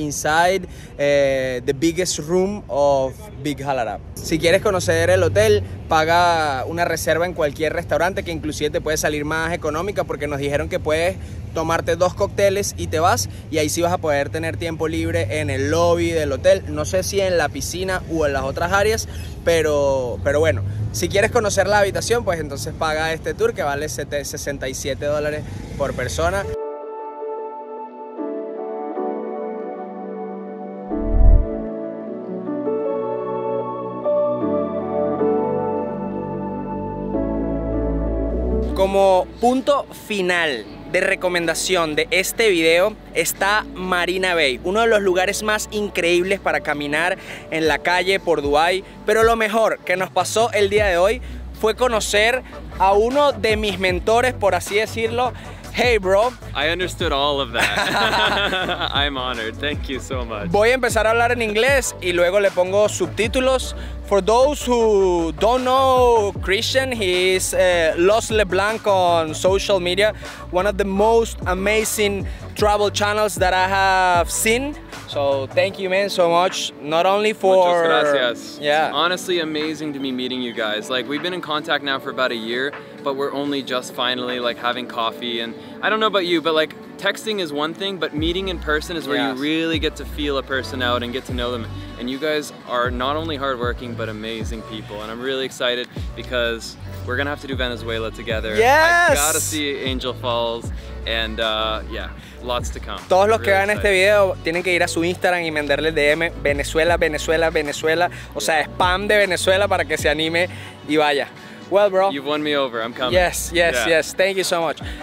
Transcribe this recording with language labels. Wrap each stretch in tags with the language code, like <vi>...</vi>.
<en>Inside the biggest room of Big Al Arab.</en> <es>Si quieres conocer el hotel, paga una reserva en cualquier restaurante, que inclusive te puede salir más económica, porque nos dijeron que puedes tomarte 2 cócteles y te vas, y ahí sí vas a poder tener tiempo libre en el lobby del hotel. No sé si en la piscina o en las otras áreas, pero bueno. Si quieres conocer la habitación, pues entonces paga este tour que vale $67 por persona. Como punto final de recomendación de este video está Marina Bay, uno de los lugares más increíbles para caminar en la calle por Dubái. Pero lo mejor que nos pasó el día de hoy fue conocer a uno de mis mentores, por así decirlo.</es> <en>Hey bro. I understood all of that. I'm honored. Thank you so much.</en> <es>Voy a empezar a hablar en inglés y luego le pongo subtítulos.</es> <en>For those who don't know Christian, he is Los LeBlanc on social media, one of the most amazing travel channels that I have seen. So thank you, man, so much. Not only for...</en> <es>Muchas gracias. Yeah.</es> <en>It's honestly amazing to be meeting you guys. Like, we've been in contact now for about a year, but we're only just finally like having coffee. And I don't know about you, but like texting is one thing, but meeting in person is where you really get to feel a person out and get to know them. And you guys are not only hardworking, but amazing people. And I'm really excited because we're gonna have to do Venezuela together. Yes! I gotta see Angel Falls. And yeah, lots to come.</en> <es>Todos los que vean este video tienen que ir a su Instagram y mandarle DM Venezuela, Venezuela, Venezuela. O sea, spam de Venezuela para que se anime y vaya.</es> <en>Well, bro. You've won me over. I'm coming. Yes, yes, yeah. Yes. Thank you so much.</en>